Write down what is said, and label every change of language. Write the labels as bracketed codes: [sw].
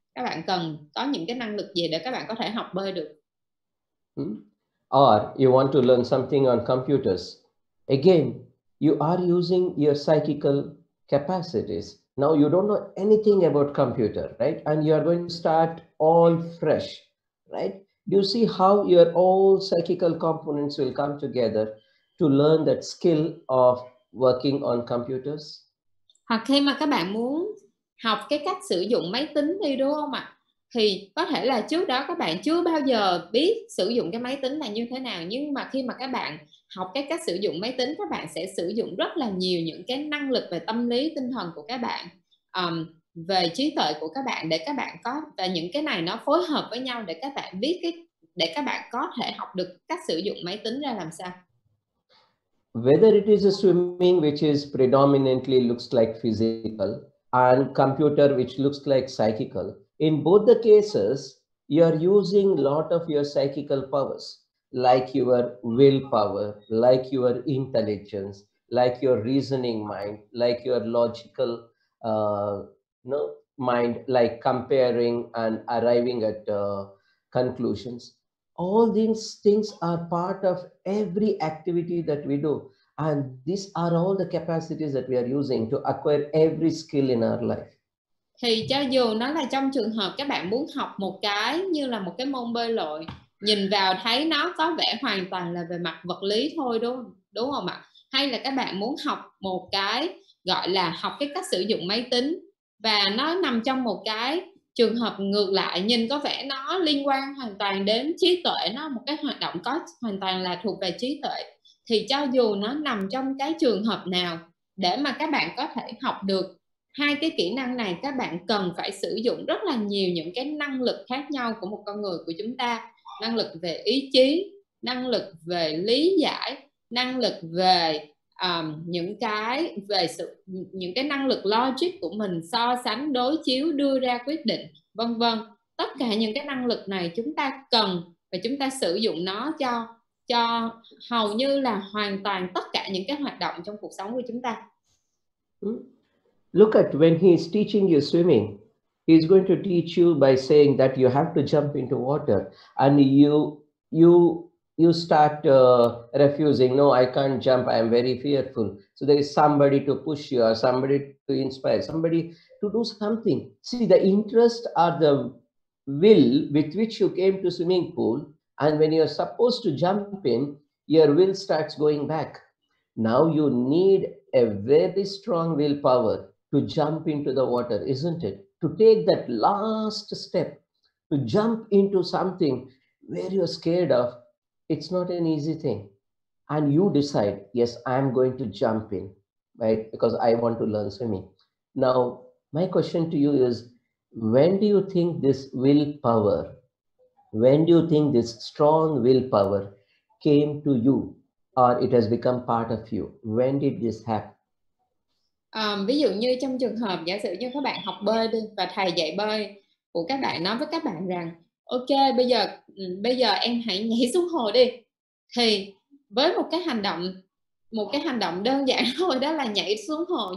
[vi] Các bạn cần có những cái năng lực gì để các bạn có thể học bơi được? [en] Or you want to learn something on computers. Again, you are using your psychical capacities. Now you don't know anything about computer, right? And you are going to start all fresh, right? You see how your all psychical components will come together to learn that skill of working on computers. [vi] Hoặc khi mà các bạn muốn học cái cách sử dụng máy tính đi, đúng không ạ? Thì có thể là trước đó các bạn chưa bao giờ biết sử dụng cái máy tính là như thế nào, nhưng mà khi mà các bạn học cái cách sử dụng máy tính, các bạn sẽ sử dụng rất là nhiều những cái năng lực về tâm lý tinh thần của các bạn, về trí tuệ của các bạn, để các bạn có, và những cái này nó phối hợp với nhau để các bạn biết cái, để các bạn có thể học được cách sử dụng máy tính ra làm sao. [en] Whether it is a swimming which is predominantly looks like physical and computer which looks like psychical, in both the cases you are using lot of your psychical powers, like your willpower, like your intelligence, like your reasoning mind, like your logical mind, like comparing and arriving at conclusions. All these things are part of every activity that we do, and these are all the capacities that we are using to acquire every skill in our life. [vi] Thì cho dù nó là trong trường hợp các bạn muốn học một cái như là một cái môn bơi lội, nhìn vào thấy nó có vẻ hoàn toàn là về mặt vật lý thôi, đúng không ạ? Hay là các bạn muốn học một cái gọi là học cái cách sử dụng máy tính, và nó nằm trong một cái trường hợp ngược lại, nhìn có vẻ nó liên quan hoàn toàn đến trí tuệ, nó một cái hoạt động có hoàn toàn là thuộc về trí tuệ, thì cho dù nó nằm trong cái trường hợp nào, để mà các bạn có thể học được hai cái kỹ năng này, các bạn cần phải sử dụng rất là nhiều những cái năng lực khác nhau của một con người của chúng ta. Năng lực về ý chí, năng lực về lý giải, năng lực về những cái năng lực logic của mình, so sánh, đối chiếu, đưa ra quyết định, vân vân. Tất cả những cái năng lực này chúng ta cần và chúng ta sử dụng nó cho hầu như là hoàn toàn tất cả những cái hoạt động trong cuộc sống của chúng ta. [en] Look at when he is teaching you swimming, He's going to teach you by saying that you have to jump into water, and you start refusing. No, I can't jump. I am very fearful. So there is somebody to push you, or somebody to inspire, somebody to do something. See, the interest or the will with which you came to swimming pool, and when you are supposed to jump in, your will starts going back. Now you need a very strong willpower to jump into the water, isn't it? To take that last step, to jump into something where you're scared of, it's not an easy thing. And you decide, yes, I'm going to jump in, right? Because I want to learn swimming. Now, my question to you is, when do you think this willpower, when do you think this strong willpower came to you, or it has become part of you? When did this happen? [vi] Ví dụ như trong trường hợp giả sử như các bạn học bơi đi, và thầy dạy bơi của các bạn nói với các bạn rằng ok, bây giờ em hãy nhảy xuống hồ đi, thì với một cái hành động đơn giản thôi, đó là nhảy xuống hồ.